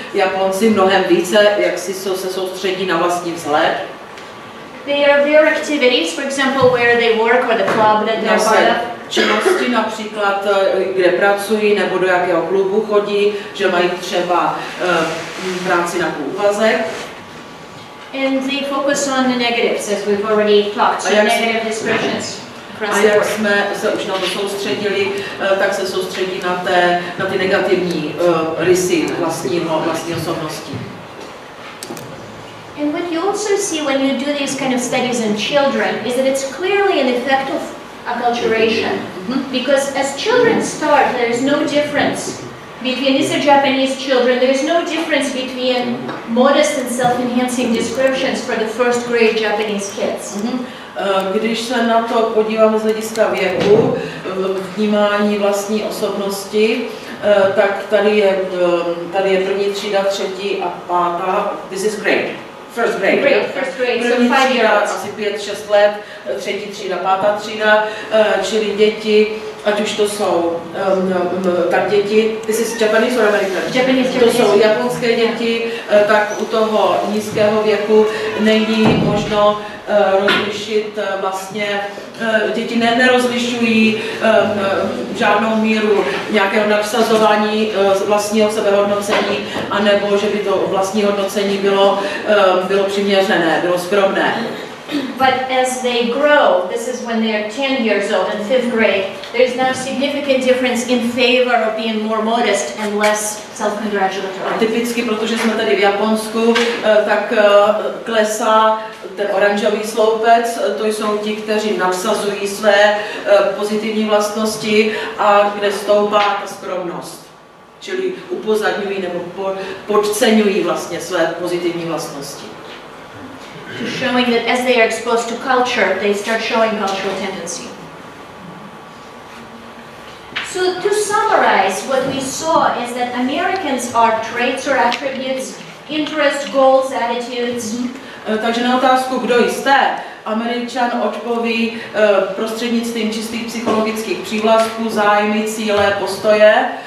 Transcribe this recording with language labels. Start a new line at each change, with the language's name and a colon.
Czech: Japonci mnohem více, jak si se soustředí na vlastní vzhled.
English: They are their activities, for example, where they work or the club that they're part of.
Czech: Činnosti například, kde pracují nebo do jakého klubu chodí, že mají třeba práci na úvazek.
English: And they focus on the negatives, as we've already talked, so negative expressions across the board.
Czech: A jak jsme se už na to soustředili, tak se soustředí na ty negativní rysy vlastní osobnosti.
English: And what you also see when you do these kind of studies in children is that it's clearly an effect of acculturation. Because as children start, there is no difference. Between these are Japanese children, there is no difference between modest and self-enhancing descriptions for the first grade Japanese kids.
Czech: Když se na to podíváme z hlediska věku, vnímání vlastní osobnosti, tak tady je první třída, třetí a pátá.
English: This is great. First grade. First grade.
Czech: Asi 5-6 let, třetí třída, pátá třída, čili děti. Ať už to jsou tak děti, ty jsi
English: Japanese or American? Japanese.
Czech: To jsou japonské děti, tak u toho nízkého věku není možno rozlišit vlastně, děti nerozlišují žádnou míru nějakého nadsazování vlastního sebehodnocení, anebo že by to vlastní hodnocení bylo přiměřené, bylo skromné.
English: But as they grow, this is when they are 10 years old in fifth grade, there is now a significant difference in favor of being more modest and less self-congratulatory.
Czech: Typicky, protože jsme tady v Japonsku, tak klesá ten oranžový sloupec, to jsou ti, kteří nadsazují své pozitivní vlastnosti a kde stoupá skromnost. Čili upozadňují nebo podceňují vlastně své pozitivní vlastnosti.
English: To showing that as they are exposed to culture, they start showing cultural tendency. So to summarize, what we saw is that Americans are traits or attributes, interests, goals, attitudes.
Czech: Takže na otázku, kdo jste, Američan odpoví prostřednictvím čistých psychologických přívlastků, zájmy, cíle, postoje.